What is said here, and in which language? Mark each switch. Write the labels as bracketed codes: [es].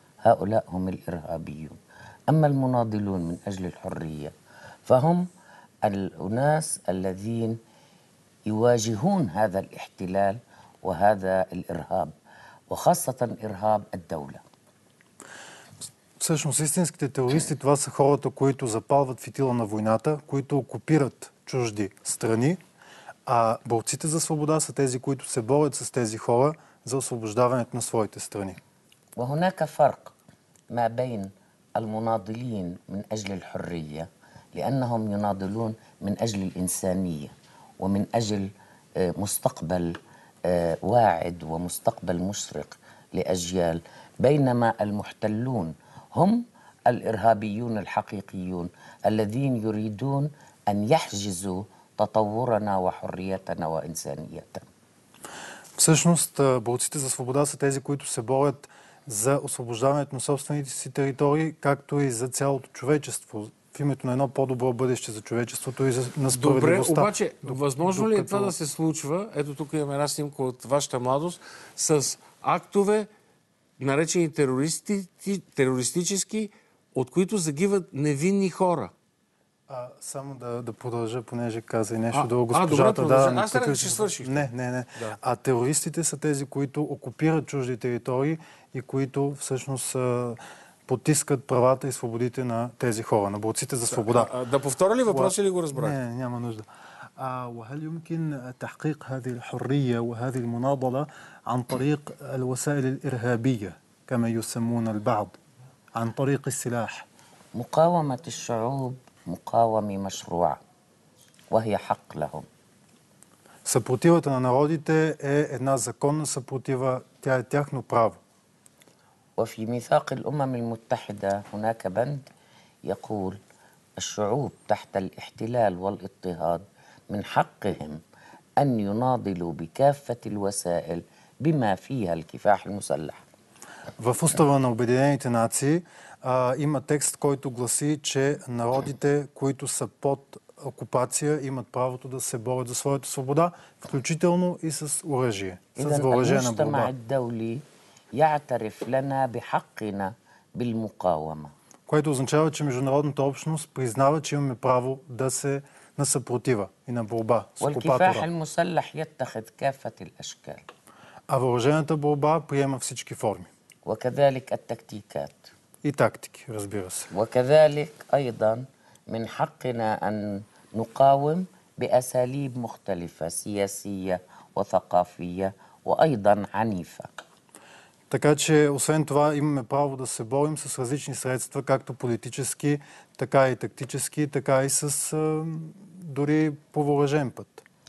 [ar] هؤلاء هم الإرهابيون. أما المناضلون من أجل الحرية فهم الناس الذين يواجهون هذا الاحتلال وهذا الإرهاب وخاصة إرهاب الدولة. [bg] Всъщност, истинските терористи, това са хората, които запалват фитила на войната, които окупират чужди страни, а борците за свобода са тези, които се борят с тези хора за освобождаването на своите страни. [ar] وهناك فرق ما بين المناضلين من أجل الحرية لأنهم يناضلون من أجل الإنسانية ومن أجل مستقبل واعد ومستقبل مشرق لأجيال بينما المحتلون هم الإرهابيون الحقيقيون الذين يريدون أن يحجزوا تطورنا وحريتنا وإنسانيتنا. [bg] Всъщност, борците за свобода са тези, които се борят за освобождаването на собствените си територии, както и за цялото човечество, в името на едно по-добро бъдеще за човечеството и на справедливостта. Добре, обаче, възможно ли е това да се случва, ето тук имаме една снимка от вашата младост, с актове, наречени терористически, от които загиват невинни хора? Само да продължа, понеже каза и нещо друго госпожата. А терористите са тези, които окупират чужди територии и които всъщност потискат правата и свободите на тези хора, на борците за свобода. Да повторя ли въпрос или го разбрах? Не, няма нужда. [ar] وهل يمكن تحقيق هذه الحرية وهذه المناضلة عن طريق الوسائل الإرهابية كما يسمون البعض عن طريق السلاح؟ مقاومة الشعوب مقاومة مشروعة وهي حق لهم. [bg] Съпротивата на народите е една законна съпротива, тя е тяхно право. [ar] وفي ميثاق الأمم المتحدة هناك بند يقول الشعوب تحت الاحتلال والاضطهاد من حقهم أن يناضلوا بكافة الوسائل بما فيها الكفاح المسلح. [bg] В устава на Обединените нации има текст, който гласи, че народите, които са под окупация, имат правото да се борят за своята свобода, включително и с оръжие, с въоръжена борба. [ar] يعترف لنا بحقنا بالمقاومه. [bg] Което означава, че международната общност признава, че имаме право да се на съпротива и на борба с окупатора. [ar] والكفاح المسلح يتخذ كافه الاشكال. [bg] А въоръжената борба приема всички форми. [ar] وكذلك التكتيكات. [bg] И тактики, разбира се. [ar] وكذلك ايضا من حقنا ان نقاوم باساليب مختلفه سياسيه وثقافيه وايضا عنيفه. [bg] Така че, освен това, имаме право да се борим с различни средства, както политически, така и тактически, така и с дори по въоръжен път.